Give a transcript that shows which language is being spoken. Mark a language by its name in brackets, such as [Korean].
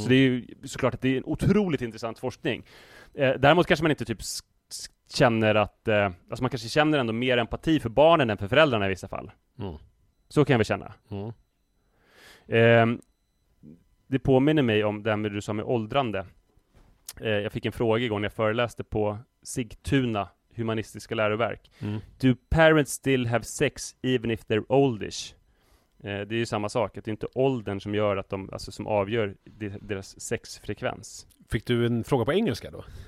[Swedish] Så det är ju såklart att det är en otroligt intressant forskning. Däremot kanske man inte typ känner att, alltså, man kanske känner ändå mer empati för barnen än för föräldrarna i vissa fall. Mm. Så kan jag väl känna. Mm. Det påminner mig om det du sa med åldrande. Jag fick en fråga igår när jag föreläste på Sigtuna humanistiska läroverk. Mm. [English] Do parents still have sex even if they're oldish? [Swedish] Det är ju samma sak. Det är inte åldern som gör att de, alltså, som avgör deras sexfrekvens. Fick du en fråga på engelska då?